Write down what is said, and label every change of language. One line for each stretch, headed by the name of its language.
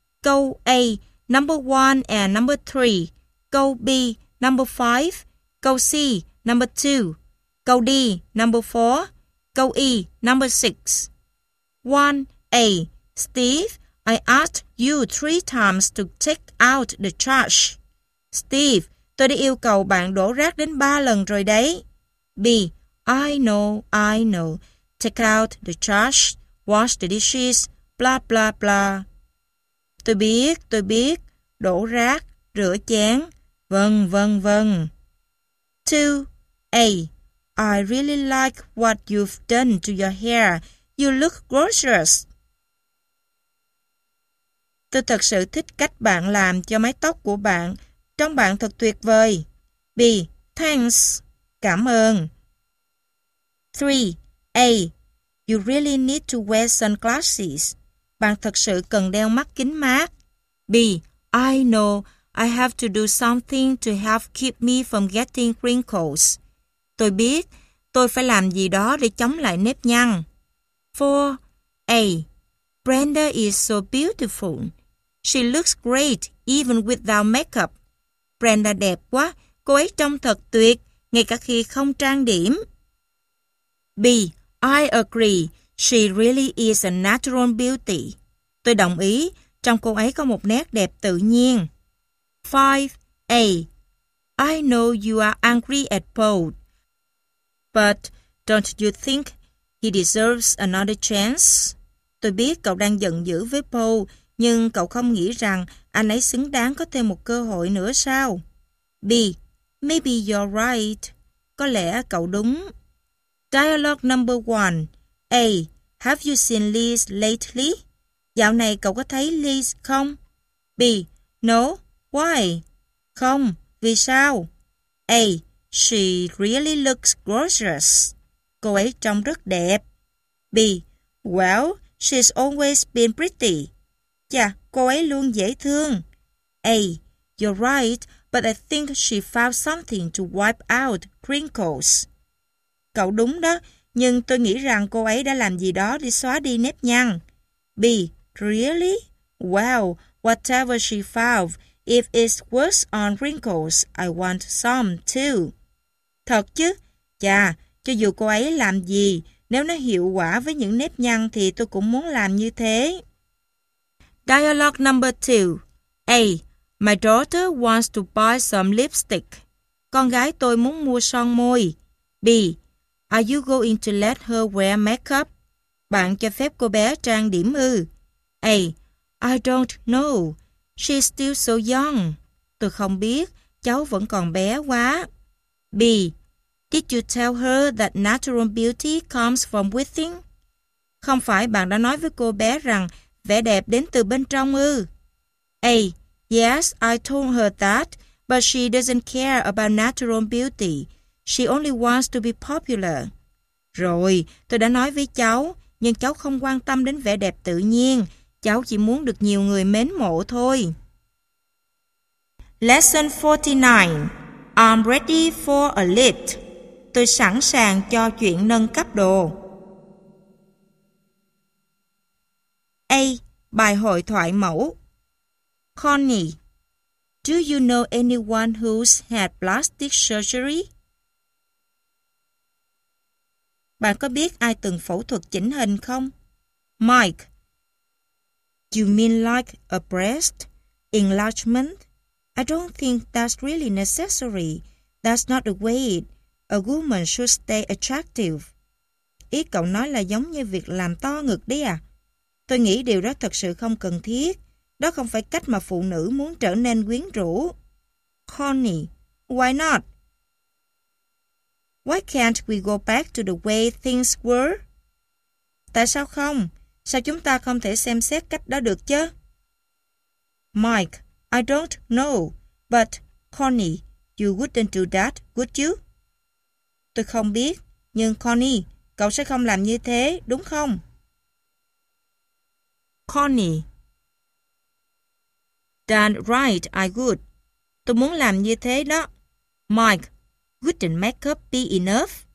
English: Câu A, number 1 and number 3. Câu B, number 5. Câu C, number 2. Câu D, number 4. Câu E, number 6. 1. A. Steve, I asked you 3 times to take out the trash.
Vietnamese: Steve, tôi đã yêu cầu bạn đổ rác đến 3 lần rồi đấy.
English: B. I know, take out the trash, wash the dishes, blah, blah, blah.
Vietnamese: Tôi biết, đổ rác, rửa chén, vân, vân, vân.
English: 2. A. I really like what you've done to your hair. You look gorgeous.
Vietnamese: Tôi thật sự thích cách bạn làm cho mái tóc của bạn. Trông bạn thật tuyệt vời.
English: B. Thanks.
Vietnamese: Cảm ơn.
English: 3. A. You really need to wear sunglasses.
Vietnamese: Bạn thật sự cần đeo mắt kính mát.
English: B. I know I have to do something to help keep me from getting wrinkles.
Vietnamese: Tôi biết tôi phải làm gì đó để chống lại nếp nhăn.
English: 4. A. Brenda is so beautiful. She looks great even without makeup. Brenda
Vietnamese: đẹp quá. Cô ấy trông thật tuyệt, ngay cả khi không trang điểm. B.
English: I agree. She really is a natural beauty.
Vietnamese: Tôi đồng ý, trong cô ấy có một nét đẹp tự nhiên.
English: 5. A. I know you are angry at Paul, but don't you think he deserves another chance?
Vietnamese: Tôi biết cậu đang giận dữ với Paul, nhưng cậu không nghĩ rằng anh ấy xứng đáng có thêm một cơ hội nữa sao?
English: B. Maybe you're right.
Vietnamese: Có lẽ cậu đúng.
English: Dialogue number 1. A. Have you seen Liz lately?
Vietnamese: Dạo này cậu có thấy Liz không?
English: B. No. Why?
Vietnamese: Không. Vì sao?
English: A. She really looks gorgeous.
Vietnamese: Cô ấy trông rất đẹp.
English: B. Well, she's always been pretty.
Vietnamese: Chà, cô ấy luôn dễ thương.
English: A. You're right, but I think she found something to wipe out crinkles.
Vietnamese: Cậu đúng đó, nhưng tôi nghĩ rằng cô ấy đã làm gì đó để xóa đi nếp nhăn.
English: B. Really? Well, whatever she found, if it's worse on wrinkles, I want some too.
Vietnamese: Thật chứ? Chà, cho dù cô ấy làm gì, nếu nó hiệu quả với những nếp nhăn thì tôi cũng muốn làm như thế.
English: Dialogue number 2. A. My daughter wants to buy some lipstick.
Vietnamese: Con gái tôi muốn mua son môi.
English: B. Are you going to let her wear makeup?
Vietnamese: Bạn cho phép cô bé trang điểm ư?
English: A. I don't know. She's still so young.
Vietnamese: Tôi không biết. Cháu vẫn còn bé quá.
English: B. Did you tell her that natural beauty comes from within?
Vietnamese: Không phải bạn đã nói với cô bé rằng vẻ đẹp đến từ bên trong ư?
English: A. Yes, I told her that, but she doesn't care about natural beauty. She only wants to be popular.
Vietnamese: Rồi, tôi đã nói với cháu, nhưng cháu không quan tâm đến vẻ đẹp tự nhiên. Cháu chỉ muốn được nhiều người mến mộ thôi.
English: Lesson 49. I'm ready for a lift.
Vietnamese: Tôi sẵn sàng cho chuyện nâng cấp đồ. A. Bài hội thoại mẫu.
English: Connie, do you know anyone who's had plastic surgery?
Vietnamese: Bạn có biết ai từng phẫu thuật chỉnh hình không?
English: Mike, you mean like a breast enlargement? I don't think that's really necessary. That's not the way a woman should stay attractive.
Vietnamese: Ý cậu nói là giống như việc làm to ngực đấy à? Tôi nghĩ điều đó thật sự không cần thiết. Đó không phải cách mà phụ nữ muốn trở nên quyến rũ.
English: Connie, why not? Why can't we go back to the way things were?
Vietnamese: Tại sao không? Sao chúng ta không thể xem xét cách đó được chứ?
English: Mike, I don't know. But Connie, you wouldn't do that, would you?
Vietnamese: Tôi không biết. Nhưng Connie, cậu sẽ không làm như thế, đúng không?
English: Connie, darn right, I would.
Vietnamese: Tôi muốn làm như thế đó.
English: Mike, wouldn't makeup be enough?